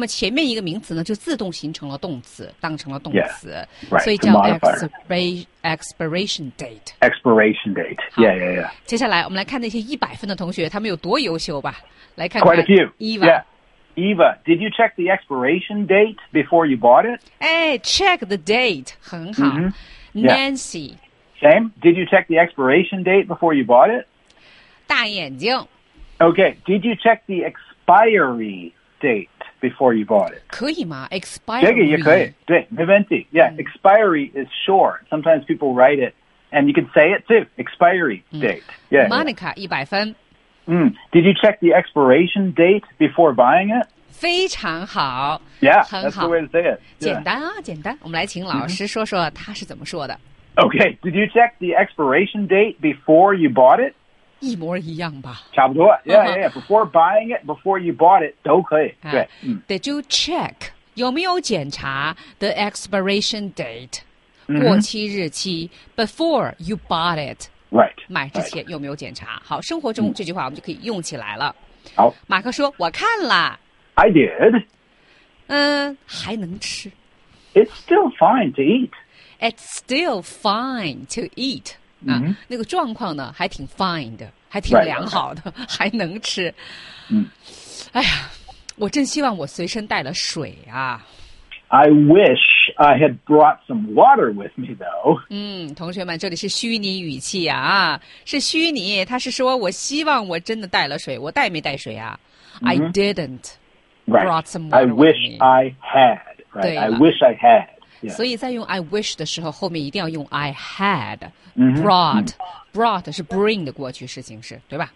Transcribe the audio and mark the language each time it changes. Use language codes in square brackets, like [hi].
[zh] 那么前面一个名词呢就自动形成了动词，当成了动词、 [en] yeah. right. [zh] 所以叫 expiration date。 [en] Expiration date, yeah, yeah, yeah. [zh] 接下来我们来看那些100分的同学他们有多优秀吧，来看 [en] 看 Quite a few. Eva、 yeah. Eva, did you check the expiration date before you bought it? Hey, check the date. [zh] 很好、 [en] mm-hmm. Nancy.、 Yeah. Same. Did you check the expiration date before you bought it? [zh] 大眼睛。 [en] Okay. Did you check the expiry date before you bought it? [zh] 可以吗 ?Expiry. 这个也可以。对没问题。Yeah.、Mm-hmm. [en] Expiry is short. Sometimes people write it and you can say it too. Expiry date.、Mm-hmm. Yeah, [zh] Monica, 100分。 [en] Did you check the expiration date before buying it? [zh] 非常好 [en] Yeah, that's the way to say it. [zh] 简单啊，简单。我们来请老师说说他是怎么说的。 [en] Okay, did you check the expiration date before you bought it? [zh] 一模一样吧，差不多。Yeah. [en] Before buying it, before you bought it, [zh] 都可以。对、 [en] Did you check [zh] 有没有检查 [en] the expiration date、 [zh] 过期日期 [en] before you bought it？ Right. [zh] 买之前有没有检查？好，生活中这句话我们就可以用起来了。好，马克说：“我看了。 [en] ”I did. [zh] 还能吃。 [en] It's still fine to eat. It's still fine to eat. Mm-hmm. [zh] 那个状况呢还挺 fine 的，还挺良好的、 [en] right. [zh] 还能吃、哎呀，我真希望我随身带了水啊。 [en] I wish I had brought some water with me though、 [zh] 同学们，这里是虚拟语气啊，是虚拟，他是说我希望我真的带了水，我带没带水啊、 [en] I didn't、 right. brought some water I wish with me. I had、right? [zh] 对了， [en] I wish I had。 Yeah. [zh] 所以在用 I wish 的时候，后面一定要用 [en] I had brought、 [zh] brought 是 bring 的过去式形式，对吧？